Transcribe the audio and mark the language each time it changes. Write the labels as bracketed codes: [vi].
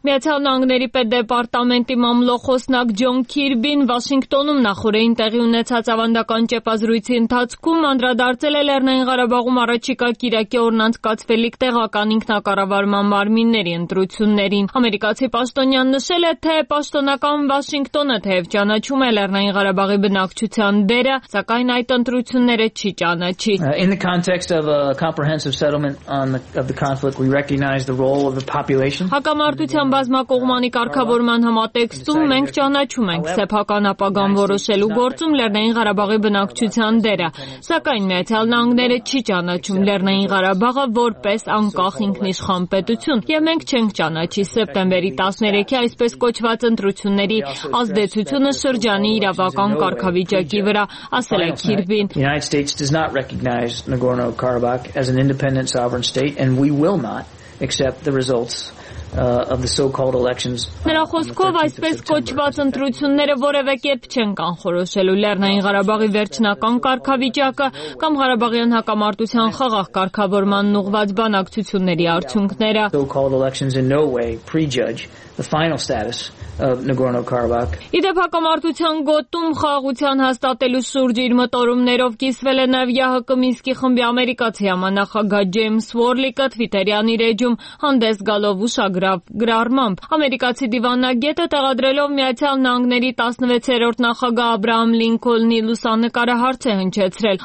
[hy] Միացյալ Նահանգների Պետդեպարտամենտի մամլոխոսնակ Ջոն Քիրբին Վաշինգտոնում նախորդին տեղի ունեցած ավանդական ճեպազրույցի ընթացքում անդրադարձել է Լեռնային Ղարաբաղում առաջիկա կիրակի օրնանց կացվելիք տեղական ինքնակառավարման մարմինների ընտրություններին։ Ամերիկացի պաշտոնյան նշել է, թե պաշտոնական Վաշինգտոնը թեև ճանաչում է Լեռնային Ղարաբաղի բնակչության դերը, սակայն այդ ընտրությունները չի ճանաչի։ [en] In the context of a comprehensive settlement on the conflict, we recognize the role of the population. [hy] Հակամարտության բազմակողմանի կարգավորման համատեքստում մենք ճանաչում ենք սեփական ապագան որոշելու գործում Լեռնային Ղարաբաղի բնակչության դերը, սակայն Միացյալ Նահանգները չի ճանաչում Լեռնային Ղարաբաղը որպես անկախ ինքնիշխան պետություն, և մենք չենք ճանաչի սեպտեմբերի 13-ի այսպես կոչված ընտրությունների ազդեցությունը շրջանի իրավական կարգավիճակի վրա, ասել է Քիրբին։ [en] United States does not recognize Nagorno-Karabakh as an independent sovereign state and we will not accept the results of the so-called elections. [hy] Նրա խոսքով այսպես կոչված ընտրությունները որևէ կերպ չեն կանխորոշելու Լեռնային Ղարաբաղի վերջնական կարգավիճակը կամ Ղարաբաղյան հակամարտության խաղաղ կարգավորման ուղված բանակցությունների արդյունքները. [en] So-called elections in no way prejudge the final status of Nagorno-Karabakh. [hy] Իդեպ հակամարտության գոտում խաղաղության հաստատելու սուրջ իր մտորումներով կիսվել է նաև ՀՀԿ Մինսկի խմբի ամերիկացի համանախագահ Ջեյմս Վորլիկը Թվիտերյան իր էջում հանդես գալով ուշագրավ գրառմամբ։ Ամերիկացի դիվանագետը տեղադրելով Միացյալ Նահանգների 16-րդ նախագահ Աբրահամ Լինքոլնի լուսանկարը հարց է հնչեցրել.